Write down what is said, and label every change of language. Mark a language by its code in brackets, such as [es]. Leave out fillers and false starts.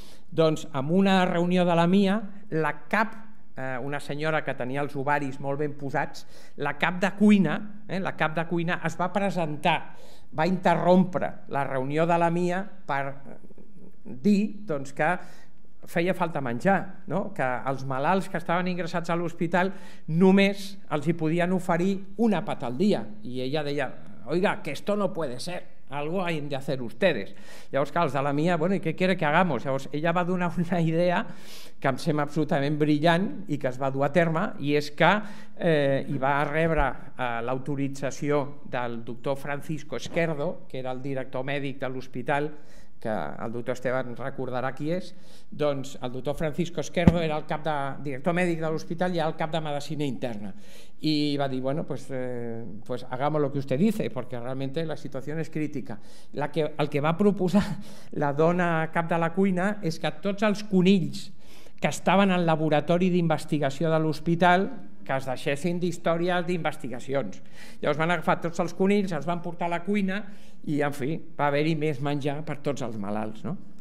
[ca] Doncs en una reunió de la Mia, la cap, una senyora que tenia els ovaris molt ben posats, la cap de cuina, la cap de cuina es va presentar, va interrompre la reunió de la Mia per dir doncs, que feia falta menjar, no? Que els malalts que estaven ingressats a l'hospital només els hi podien oferir una pata al dia, i ella deia: [es] oiga, que esto no puede ser, algo hay de hacer ustedes. [ca] Llavors, clar, els de la Mia, bueno, [es] ¿y qué quiere que hagamos? [ca] Llavors, ella va donar una idea que em sembla absolutament brillant i que es va dur a terme, i és que hi va rebre l'autorització del doctor Francisco Esquerdo, que era el director mèdic de l'hospital, que el doctor Esteban recordarà qui és. Doncs el doctor Francisco Esquerdo era el cap de director mèdic de l'hospital i el cap de medicina interna, i va dir: bueno, [es] pues hagamos lo que usted dice, porque realmente la situación es crítica. [ca] El que va proposar la dona cap de la cuina és que tots els conills que estaven al laboratori d'investigació de l'hospital que es deixessin d'històries d'investigacions. Llavors van agafar tots els conills, els van portar a la cuina i, en fi, va haver-hi més menjar per tots els malalts, no?